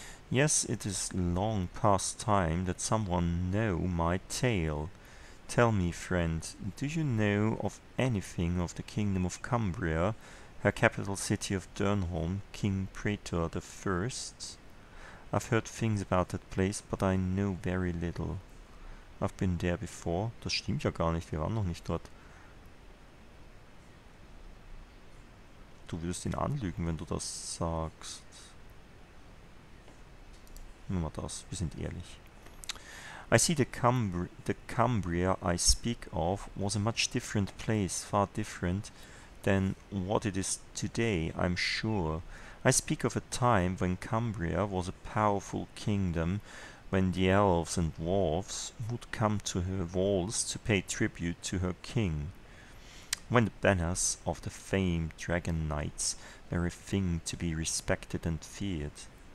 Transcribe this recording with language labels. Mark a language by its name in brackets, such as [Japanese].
[English] Yes, it is long past time that someone know my tale. Tell me, friend, do you know of anything of the Kingdom of Cumbria? Her capital city of Dernholm, King Praetor the First. I've heard things about that place, but I know very little. I've been there before. [German] Das stimmt ja gar nicht, wir waren noch nicht dort. Du würdest ihn anlügen, wenn du das sagst. Nur mal das, wir sind ehrlich. [English] I see the Cumbria I speak of was a much different place, far different than what it is today, I'm sure. I speak of a time when Cumbria was a powerful kingdom, when the elves and dwarves would come to her walls to pay tribute to her king, when the banners of the famed dragon knights were a thing to be respected and feared.